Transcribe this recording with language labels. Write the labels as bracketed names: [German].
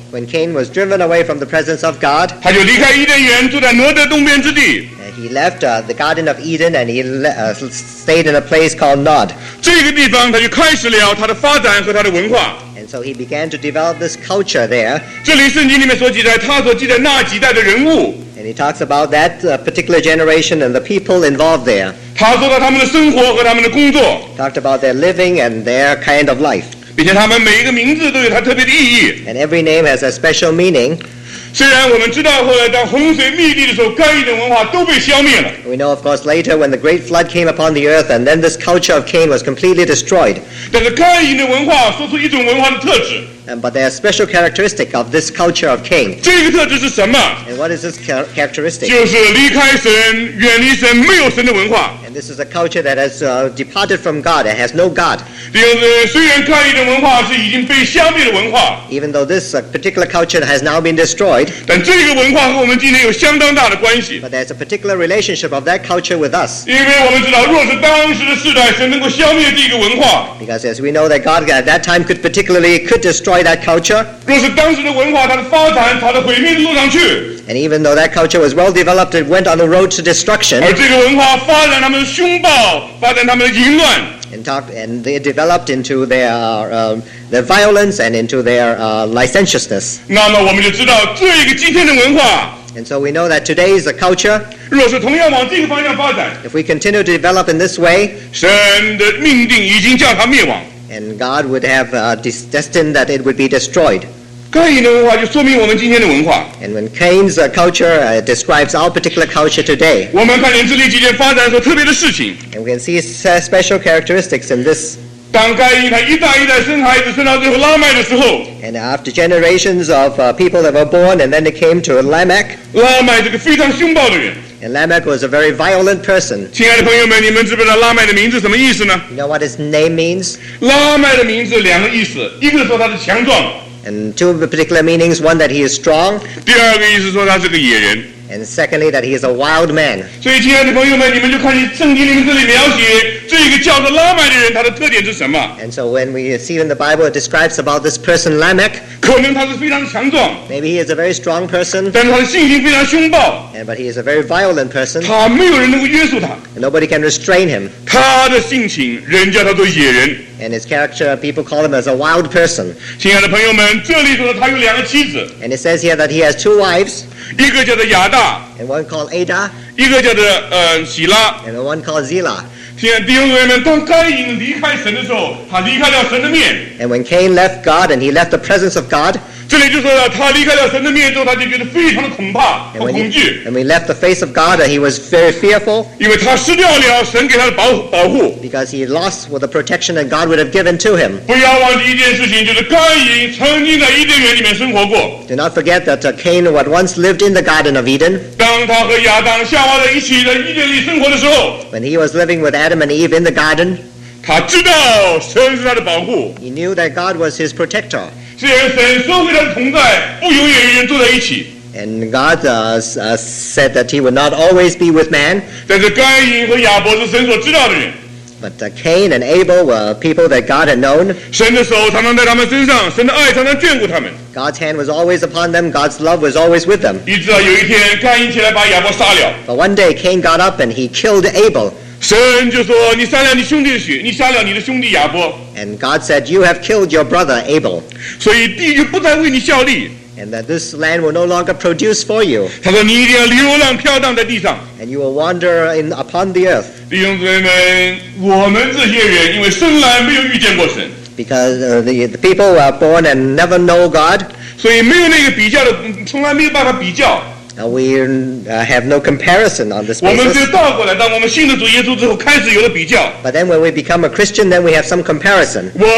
[English] When Cain was driven away from the presence of God [Chinese] 他就离开伊甸园住在挪得东边之地 [English] He left the Garden of Eden and he stayed in a place called Nod. [Chinese] 这个地方他就开始了他的发展和他的文化。 [English] And so he began to develop this culture there. [Chinese] 这里圣经里面所记载他所记载那几代的人物。 [English] And he talks about that particular generation and the people involved there. [Chinese] 他说到他们的生活和他们的工作。 [English] Talked about their living and their kind of life. [Chinese] 并且他们每一个名字都有它特别的意义。 [English] And every name has a special meaning. [Chinese] 虽然我们知道后来当洪水密集的时候，该隐的文化都被消灭了。 [English] We know, of course, later when the great flood came upon the earth, and then this culture of Cain was completely destroyed. [Chinese] 但是该隐的文化说出一种文化的特质。 [English] And, but there is a special characteristic of this culture of Cain. [Chinese] 这个特质是什么 [English] ？And what is this characteristic? [Chinese] 就是离开神、远离神、没有神的文化。 [English] And this is a culture that has departed from God. It has no God. [Chinese] 第二个，虽然该隐的文化是已经被消灭的文化 [English] ，Even though this particular culture has now been destroyed. [Chinese] 但这个文化和我们今天有相当大的关系。 [English] But there's a particular relationship of that culture with us. [Chinese] 因为我们知道，若是当时的世代，神能够消灭这个文化。 [English] Because as we know that God at that time could destroy that culture. [Chinese] 若是当时的文化，它的发展朝着毁灭的路上去。 [English] And even though that culture was well developed, it went on the road to destruction. [Chinese] 而这个文化发展他们的凶暴，发展他们的淫乱。 [English] And they developed into their violence and into their licentiousness. [Chinese] 那么我们就知道这个今天的文化。 [English] And so we know that today's culture. [Chinese] 若是同样往这个方向发展。 [English] If we continue to develop in this way. [Chinese] 神的命定已经叫它灭亡。 [English] and God would have destined that it would be destroyed. [Chinese] 该隐的文化就说明我们今天的文化。 [English] And when Cain's culture describes our particular culture today, [Chinese] 我们看连智利几件发展的时候特别的事情。 [English] And we can see special characteristics in this. [Chinese] 当该隐他一代一代生孩子生到最后拉麦的时候, [English] And after generations of people that were born and then they came to Lamech, [Chinese] 拉麦这个非常凶暴的人。 [English] And Lamech was a very violent person. [Chinese] 亲爱的朋友们, 你们知不知道拉麦的名字什么意思呢? [English] You know what his name means? [Chinese] 拉麦的名字两个意思, 一个是说他是强壮, [English] And two particular meanings, one that he is strong. [Chinese] 第二个意思说他是个野人。 [English] And secondly, that he is a wild man. [Chinese] 所以亲爱的朋友们, 你们就看见圣经里面这里描写, 这个叫做拉麦的人, 他的特点是什么? [English] And so when we see in the Bible, it describes about this person Lamech. [Chinese] 可能他是非常强壮, [English] Maybe he is a very strong person. [Chinese] 但是他的性情非常凶暴, [English] and, But he is a very violent person. [Chinese] 他没有人能够约束他, [English] and nobody can restrain him. [Chinese] 他的性情, 人叫他做野人, [English] and his character, people call him as a wild person. [Chinese] 亲爱的朋友们, 这里说他有两个妻子, [English] and it says here that he has two wives. [Chinese] 一个叫做亚大, [English] and one called Ada. [Chinese] 一个叫做喜拉, [English] and one called Zila. [Chinese] 亲爱的弟兄姊妹们, 当该隐离开神的时候, 他离开了神的面, [English] and when Cain left God and he left the presence of God, [Chinese] 这里就说了他离开了神的面之后, 他就觉得非常的恐怕, 恐惧, [English] and when he left the face of God and he was very fearful, [Chinese] 因为他失掉了神给他的保护, [English] because he lost with the protection that God would have given to him. [Chinese] 不要忘记一件事情, 就是该隐曾经在伊甸园里面生活过, [English] do not forget that Cain had once lived in the Garden of Eden. [Chinese] 当他和亚当夏娃在一起在伊甸里生活的时候, [English] when he was living with Adam and Eve in the garden, [Chinese] 他知道神是他的保护, [English] he knew that God was his protector. [Chinese] 虽然神说会他的同在, [English] and God said that he would not always be with man. But Cain and Abel were people that God had known. [Chinese] 神的手常常在他们身上, 神的爱常常眷顾他们, [English] God's hand was always upon them, God's love was always with them. [Chinese] 一直到有一天, 该隐起来把亚伯杀了, [English] but one day Cain got up and he killed Abel. [Chinese] 神就说, 你杀了你兄弟的血, 你杀了你的兄弟亚伯, [English] and God said, you have killed your brother Abel. [Chinese] 所以地就不再为你效力, [English] and that this land will no longer produce for you. [Chinese] 他说, 你一定要流浪飘荡在地上, [English] and you will wander in upon the earth. [Chinese] 弟兄姊妹们, 我们这些人, 因为生来没有遇见过神, [English] because the people were born and never know God. [Chinese] 所以没有那个比较的, 从来没有办法比较, [English] We have no comparison on this basis. But then when we become a Christian, then we have some comparison.